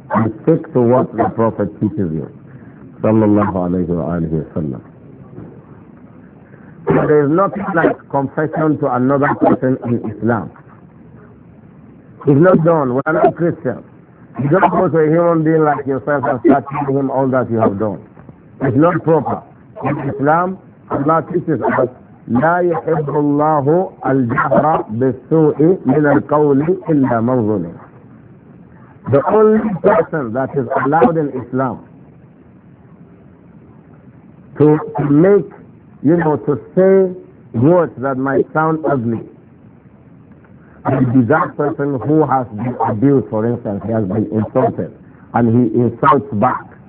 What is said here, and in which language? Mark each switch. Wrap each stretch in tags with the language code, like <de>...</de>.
<en>You stick to what the Prophet teaches you, sallallahu alayhi wa sallam. There is nothing like confession to another person in Islam. It's not done. We are not Christians. You don't go to a human being like yourself and start telling him all that you have done. It's not proper. In Islam, Allah teaches us,</en> <ar>لا يحب الله الجهر بالسوء من القول إلا من ظلم.</ar> <en>The only person that is allowed in Islam to make, you know, to say words that might sound ugly, it would be that person who has been abused, for instance, he has been insulted, and he insults back.</en>